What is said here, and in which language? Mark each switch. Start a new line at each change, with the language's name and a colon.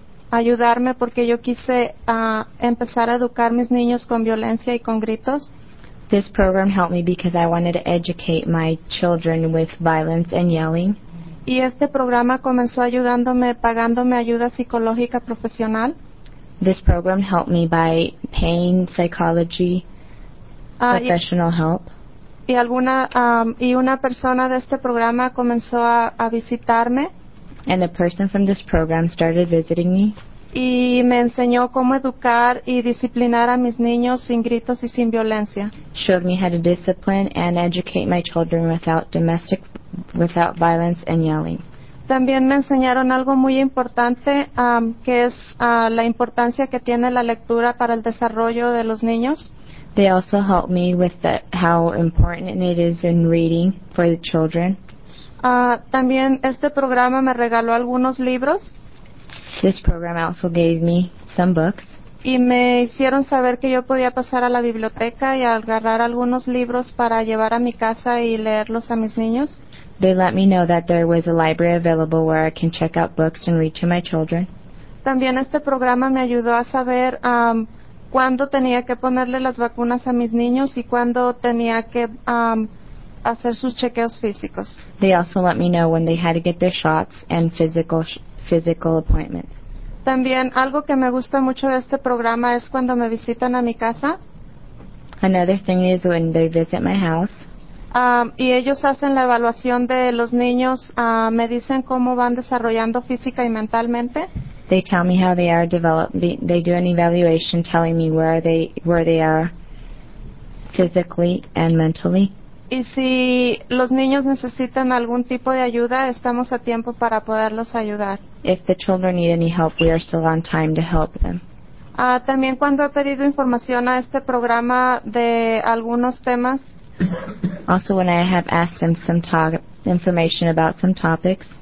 Spanish: ayudarme porque yo quise empezar a educar mis niños con violencia y con gritos.
English: This program helped me because I wanted to educate my children with violence and yelling.
Spanish: Y este programa comenzó ayudándome, pagándome ayuda psicológica profesional.
English: This program helped me by paying psychology professional help.
Spanish: Y alguna y una persona de este programa comenzó a visitarme.
English: And a person from this program started visiting me.
Spanish: Y me enseñó cómo educar y disciplinar a mis niños sin gritos y sin violencia.
English: Showed me how to discipline and educate my children without violence and yelling.
Spanish: También me enseñaron algo muy importante, que es la importancia que tiene la lectura para el desarrollo de los niños.
English: They also helped me with how important it is in reading for the children.
Spanish: También este programa me regaló algunos libros.
English: This program also gave me some books.
Spanish: Y me hicieron saber que yo podía pasar a la biblioteca y agarrar algunos libros para llevar a mi casa y leerlos a mis niños.
English: They let me know that there was a library available where I can check out books and read to my children.
Spanish: También este programa me ayudó a saber cuándo tenía que ponerle las vacunas a mis niños y cuándo tenía que hacer sus chequeos físicos.
English: They also let me know when they had to get their shots and physical appointments.
Spanish: También algo que me gusta mucho de este programa es cuando me visitan a mi casa.
English: Another thing is when they visit my house.
Spanish: Y ellos hacen la evaluación de los niños, me dicen cómo van desarrollando física y mentalmente.
English: They tell me how they are developing. They do an evaluation telling me where they are physically and mentally.
Spanish: Y si los niños necesitan algún tipo de ayuda, estamos a tiempo para poderlos ayudar.
English: If the children need any help, we are still on time to help them.
Spanish: También cuando he pedido información a este programa de algunos temas.
English: Also when I have asked them some information about some topics.